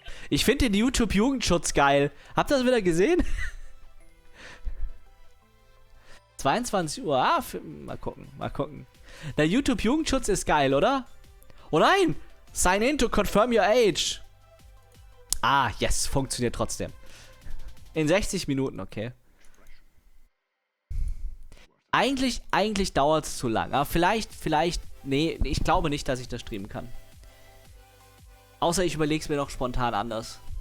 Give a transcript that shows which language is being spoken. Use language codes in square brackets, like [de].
[de] Ich finde den YouTube-Jugendschutz geil. Habt ihr das wieder gesehen? 22 Uhr. Ah, mal gucken. Der YouTube-Jugendschutz ist geil, oder? Oh nein! [en] Sign in to confirm your age. [de] Ah, yes, funktioniert trotzdem. In 60 Minuten, okay. Eigentlich dauert es zu lang. Aber vielleicht, nee, ich glaube nicht, dass ich das streamen kann. Außer ich überleg's mir noch spontan anders.